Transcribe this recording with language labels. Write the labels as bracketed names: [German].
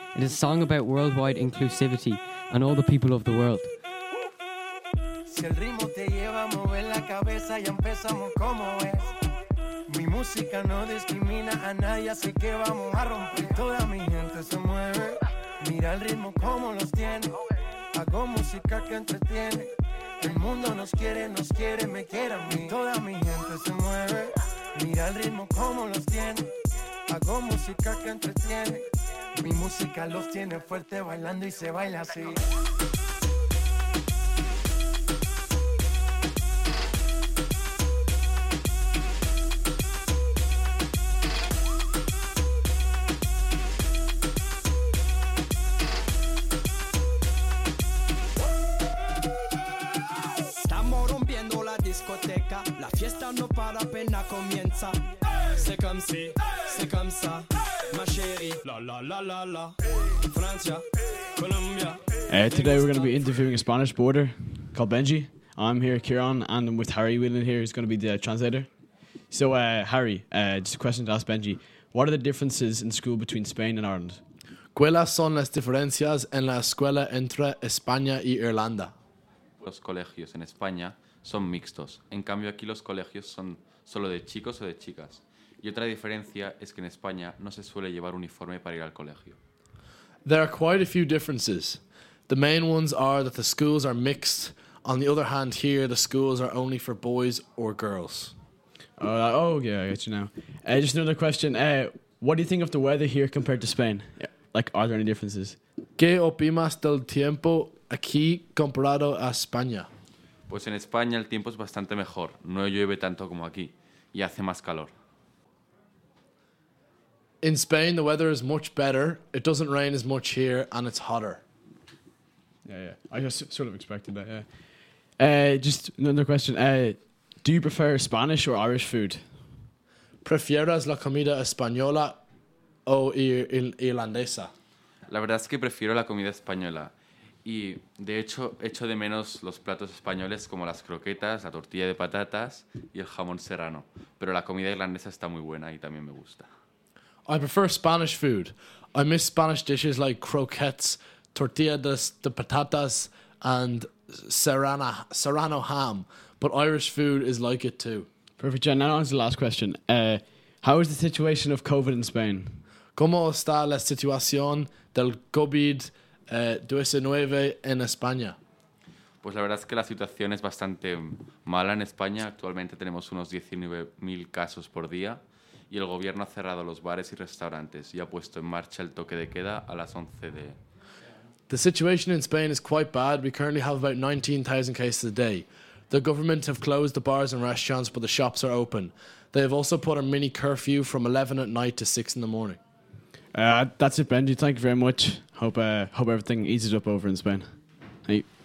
[English] It is a song about worldwide inclusivity and all the people of the world. [Spanish] Si el ritmo te lleva a mover la cabeza, ya empezamos como es. Mi música no discrimina a nadie, así que vamos a romper. Toda mi gente se mueve, mira el ritmo como los tiene. Hago música que entretiene, el mundo nos quiere, me quiere a mí. Toda mi gente se mueve, mira el ritmo como los tiene. Hago música que entretiene, mi música los tiene fuerte bailando y se baila así. Estamos rompiendo la discoteca, la fiesta no para, apenas comienza. [French] C'est comme si, c'est comme ça, ma chérie, la la la la la, Francia, Colombia. [English] Today we're going to be interviewing a Spanish boarder called Benji. I'm here, Kieran, and I'm with Harry Whelan here, who's going to be the translator. So Harry, just a question to ask Benji. What are the differences in school between Spain and Ireland? [Spanish] ¿Cuáles son las diferencias en la escuela entre España y Irlanda? Los colegios en España son mixtos. En cambio, aquí los colegios son solo de chicos o de chicas. Y otra diferencia es que en España no se suele llevar uniforme para ir al colegio. [English] There are quite a few differences. The main ones are that the schools are mixed. On the other hand, here the schools are only for boys or girls. Oh yeah, I get you now. Just another question. What do you think of the weather here compared to Spain? Like, are there any differences? [Spanish] ¿Qué opinas del tiempo aquí comparado a España? Pues en España el tiempo es bastante mejor. No llueve tanto como aquí y hace más calor. [English] In Spain, the weather is much better. It doesn't rain as much here, and it's hotter. Yeah. I just sort of expected that, yeah. Just another question. Do you prefer Spanish or Irish food? [Spanish] ¿Prefieres la comida española o irlandesa? La verdad es que prefiero la comida española. Y, de hecho, echo de menos los platos españoles como las croquetas, la tortilla de patatas y el jamón serrano. Pero la comida irlandesa está muy buena y también me gusta. [English] I prefer Spanish food. I miss Spanish dishes like croquettes, tortillas de patatas, and serrano ham. But Irish food is like it too. Perfect, John. Now on to the last question. How is the situation of COVID in Spain? [Spanish] ¿Cómo está la situación del COVID-19 en España? Pues la verdad es que la situación es bastante mala en España. Actualmente tenemos unos 19.000 casos por día y el gobierno ha cerrado los bares y restaurantes y ha puesto en marcha el toque de queda a las 11 de... [English] The situation in Spain is quite bad. We currently have about 19,000 cases a day. The government have closed the bars and restaurants, but the shops are open. They have also put a mini curfew from 11 at night to 6 in the morning. That's it, Benji. Thank you very much. Hope everything eases up over in Spain. Hey.